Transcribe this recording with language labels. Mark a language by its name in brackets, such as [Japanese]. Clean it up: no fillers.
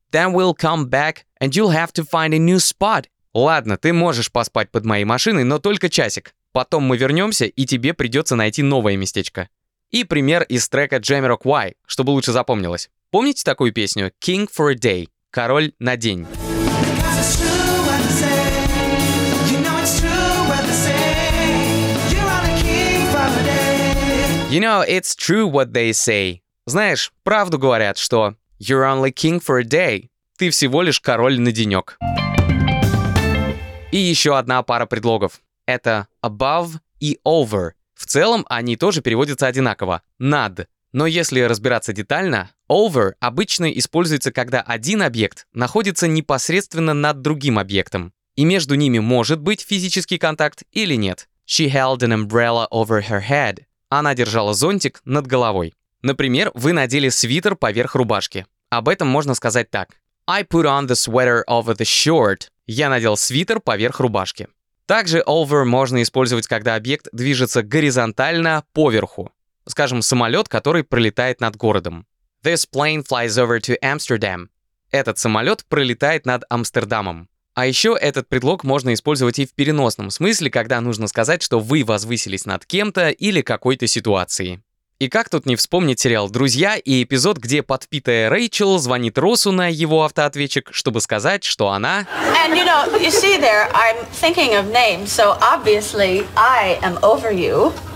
[English] then we'll come back and you'll have to find a new spot. [Russian] Ладно, ты можешь поспать под моей машиной, но только часик. Потом мы вернемся, и тебе придется найти новое местечко. И пример из трека Jamiroquai, чтобы лучше запомнилось. Помните такую песню? [English] King for a day. [Russian] Король на день. [English] You know, it's true what they say. [Russian] Знаешь, правду говорят, что [English] You're only king for a day. [Russian] Ты всего лишь король на денек. И еще одна пара предлогов. Это above и over. В целом они тоже переводятся одинаково. Над. Но если разбираться детально, over обычно используется, когда один объект находится непосредственно над другим объектом. И между ними может быть физический контакт или нет. [English] She held an umbrella over her head. [Russian] Она держала зонтик над головой. Например, вы надели свитер поверх рубашки. Об этом можно сказать так. [English] I put on the sweater over the shirt. [Russian] Я надел свитер поверх рубашки. Также over можно использовать, когда объект движется горизонтально поверху. Скажем, самолет, который пролетает над городом. [English] This plane flies over to Amsterdam. [Russian] Этот самолет пролетает над Амстердамом. А еще этот предлог можно использовать и в переносном смысле, когда нужно сказать, что вы возвысились над кем-то или какой-то ситуацией. И как тут не вспомнить сериал «Друзья» и эпизод, где подпитая Рэйчел звонит Россу на его автоответчик, чтобы сказать, что она... [English] And you know, you see there, I'm thinking of names, so obviously I am over you.